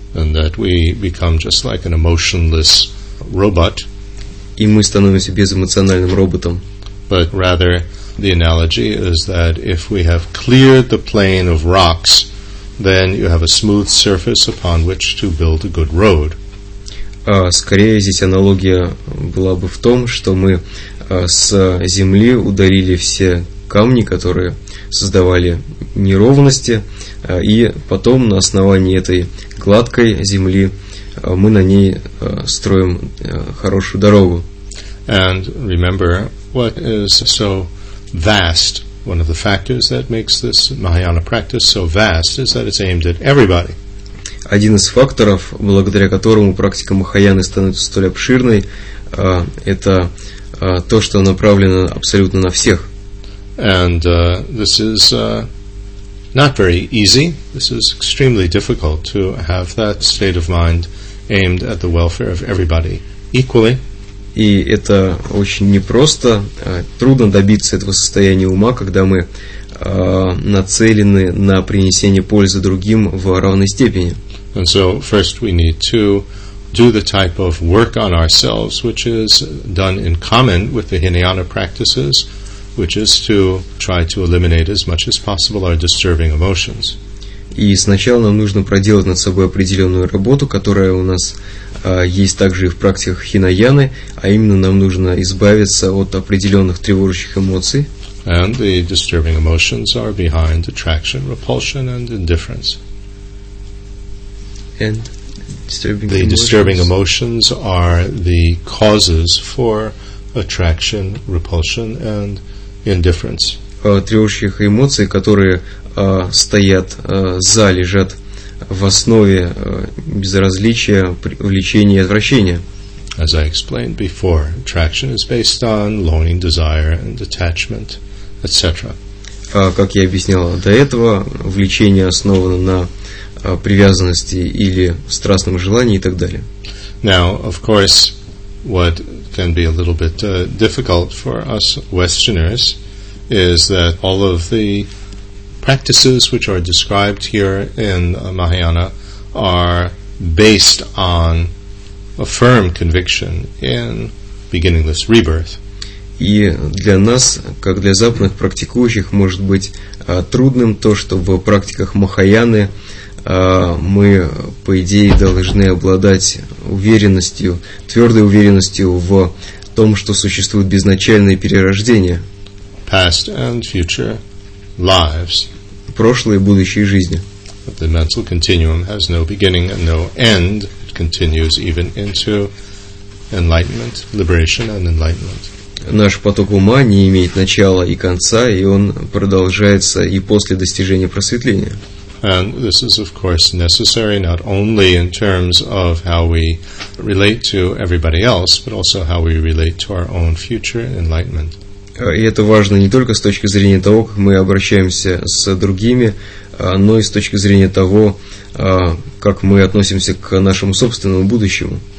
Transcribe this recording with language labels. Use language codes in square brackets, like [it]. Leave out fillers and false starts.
[en] And that we become just like an emotionless robot. [ru] И мы становимся безэмоциональным роботом. [en] But rather, the analogy is that if we have cleared the plain of rocks, then you have a smooth surface upon which to build a good road. [ru] Скорее здесь аналогия была бы в том, что мы с земли удалили все камни, которые создавали неровности, и потом на основании этой гладкой земли мы на ней строим хорошую дорогу. [en] And remember what is so vast, one of the factors that makes this Mahayana practice so vast is that it's aimed at everybody. [ru] Один из факторов, благодаря которому практика Махаяны становится столь обширной, это то, что направлено абсолютно на всех. [en] And this is not very easy. This is extremely difficult to have that state of mind aimed at the welfare of everybody equally. [ru] И это очень непросто. Трудно добиться этого состояния ума, когда мы нацелены на принесение пользы другим в равной степени. [en] And so first we need to do the type of work on ourselves which is done in common with the Hinayana practices, which is to try to eliminate as much as possible our disturbing emotions. [ru] И сначала нам нужно проделать над собой определенную работу, которая у нас есть также и в практиках Хинаяны, а именно нам нужно избавиться от определенных тревожащих эмоций. [en] And the disturbing emotions are behind attraction, repulsion, and indifference. And disturbing the emotions. Disturbing emotions are the causes for attraction, repulsion, and indifference. [ru] Тревожащих эмоций, которые стоят за, лежат в основе безразличия, влечения и отвращения. [en] As I explained before, attraction is based on longing, desire, and attachment, etc. [ru] Как я объяснял до этого, влечение основано на привязанности или страстном желании и так далее. [en] Now, of course, what can be a little bit difficult for us Westerners is that all of the practices which are described here in Mahayana are based on a firm conviction in beginningless rebirth. [ru] И для нас, как для западных практикующих, может быть трудным то, что в практиках Махаяны мы, по идее, должны обладать уверенностью, твердой уверенностью в том, что существуют безначальные перерождения. [en] Past and future lives. [ru] Прошлые и будущие жизни. [en] But the mental continuum has no beginning and no end. It continues even into enlightenment, liberation and enlightenment. [ru] Наш поток ума не имеет начала и конца, и он продолжается и после достижения просветления. [en] And this is, of course, necessary not only in terms of how we relate to everybody else, but also how we relate to our own future enlightenment. [ru] И это важно не только с точки зрения того, как мы обращаемся с другими, но и с точки зрения того, как мы относимся к нашему собственному будущему.